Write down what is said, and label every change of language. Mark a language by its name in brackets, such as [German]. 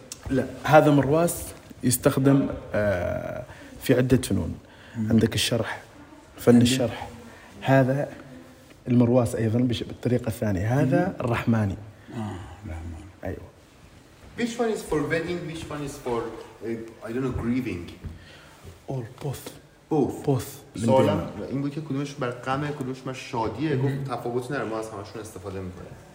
[Arabic] لا هذا مرواس يستخدم في عدة فنون. عندك الشرح فن الشرح هذا المرواس أيضا بالطريقة الثانية هذا الرحماني. الرحماني. أيوة. [English] Which one is for wedding? Which one is for I don't know grieving? All both. Both. Both. [Persian] سلام. این بود که کدومش بر غمه کدومش بر شادیه گفت تفاوتی نداره ما از همشون استفاده میکنیم.